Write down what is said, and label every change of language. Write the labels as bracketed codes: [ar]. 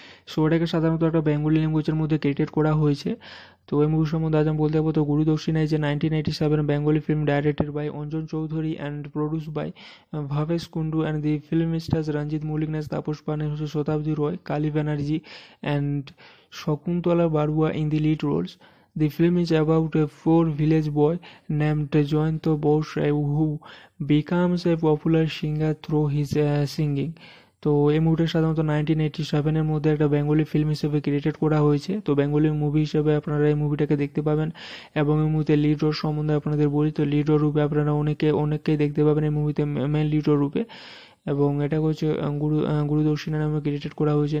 [bn] So এটাকে সাধারণত একটা বেঙ্গলি ল্যাঙ্গুয়েজের মধ্যে ক্রিয়েটেড করা হয়েছে। তো এই মুভি সম্বন্ধে আজ আমি বলতে যাবো, তো গুরু দক্ষিণায় যে 1997 Bengali film, [en] Directed by Anjan Chowdhury and produce by Bhabesh Kundu, and the film stars Ranjit Mallick, নেস Tapas Paul, Satabdi Roy, Kali Banerjee and Sakuntala Barua in the lead roles. The film is about a poor village boy named Jayanta Bose who becomes a popular singer through his singing. [bn] তো এই মুভিটা সাধারণত 1987 মধ্যে একটা Bengali film হিসেবে created করা হয়েছে। তো বেঙ্গলি মুভি হিসেবে আপনারা এই মুভিটাকে দেখতে পাবেন। এবং এই মুভিতে লিড রোল সম্বন্ধে আপনাদের বলি, তো লিড রোল রূপে আপনারা অনেককেই দেখতে পাবেন এই মুভিতে, মেন লিড রোল রূপে। এবং এটা হচ্ছে গুরুদক্ষিণা নামে ক্রিয়েটেড করা হয়েছে।